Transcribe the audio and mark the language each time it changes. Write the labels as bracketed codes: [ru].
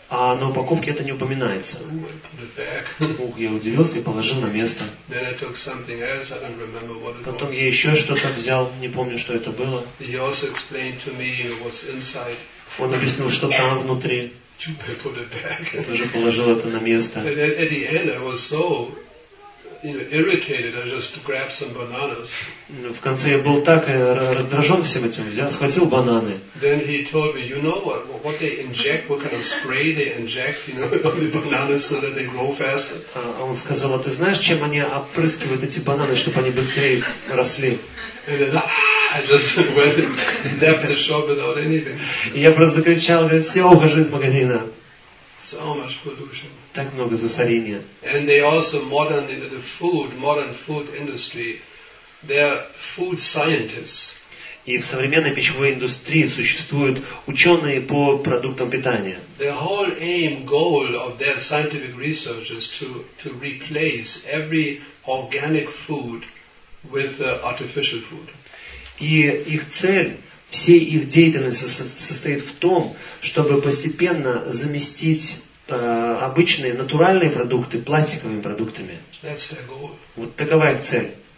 [ru] А на упаковке это не упоминается. Ух, я удивился и положил на место. [en] Then I took something else, I don't remember what it was. [ru] Потом я еще что-то взял, не помню, что это было. [en] He also explained to me what's inside. [ru] Он объяснил, что там внутри. [en] I put it back. [ru] Я тоже положил это на место. [en] At the end, I was so, you know, irritated. I just grabbed some bananas. [ru] В конце я был так раздражен всем этим, взял, схватил бананы. [en] Then he told me, you know what they inject, what kind of spray they inject, you know, on the bananas so that they grow faster. [ru] А он сказал, а ты знаешь, чем они опрыскивают эти бананы, чтобы они быстрее росли? [en] I just went and left the shop without anything. [ru] Я просто закричал, говорю, все, ухожу из магазина. [en] So much pollution. [ru] Так много засорения. [en] And they also modern food industry, they're food scientists. [ru] И в современной пищевой индустрии существуют ученые по продуктам питания. [en] The whole aim, goal of their scientific research is to replace every organic food with artificial food. [ru] И их цель, всей их деятельности состоит в том, чтобы постепенно заместить обычные натуральные продукты пластиковыми продуктами. Вот такова их цель.